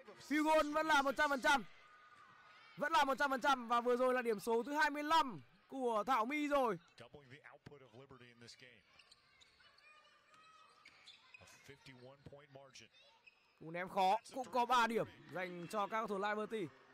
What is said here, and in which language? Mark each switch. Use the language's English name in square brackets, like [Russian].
[Vietnamese] Hugo vẫn là 100%. Vẫn là 100% và vừa rồi là điểm số thứ 25 của Thảo My rồi. [English] Doubling the output of Liberty in this game. 51 point margin. [Vietnamese] Cú ném khó cũng có 3 điểm dành cho các cầu thủ Liberty.